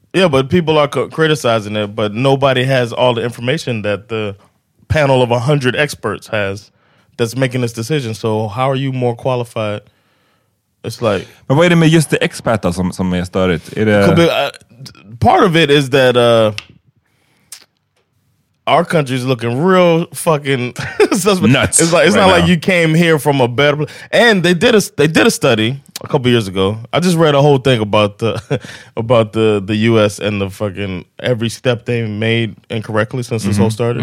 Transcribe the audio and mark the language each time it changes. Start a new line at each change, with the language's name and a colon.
English: But people are criticizing it, but nobody has all the information that the panel of 100 experts has that's making this decision. So how are you more qualified? It's like,
Swedish: men vad är det med just det experta som är störigt? Är det...
English: Part of it is that our country is looking real fucking nuts. Like you came here from a better place. And they did a study a couple years ago. I just read a whole thing about the US and the fucking every step they made incorrectly since this whole started.